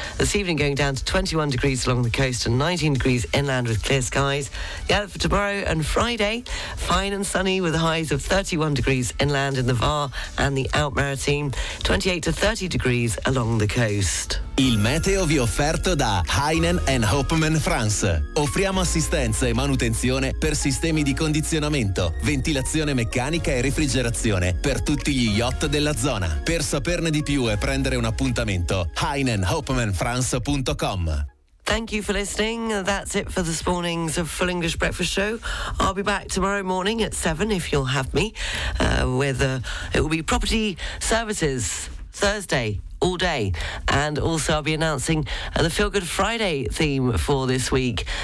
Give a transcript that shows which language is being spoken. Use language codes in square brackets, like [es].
[en] This evening going down to 21 degrees along the coast and 19 degrees inland with clear skies. The outlook for tomorrow and Friday, fine and sunny with highs of 31 degrees inland in the Var and the Alpes-Maritimes, 28 to 30 degrees along the coast. [it] Il meteo vi offerto da Heinen and Hopman France. Offriamo assistenza e manutenzione per sistemi di condizionamento, ventilazione meccanica e refrigerazione per tutti gli yacht della zona. Per saperne di più e prendere un appuntamento, heinenhopmanfrance.com. [en] Thank you for listening. That's it for this morning's Full English Breakfast Show. I'll be back tomorrow morning at 7 if you'll have me, with it will be Property Services Thursday. All day. And also I'll be announcing the Feel Good Friday theme for this week.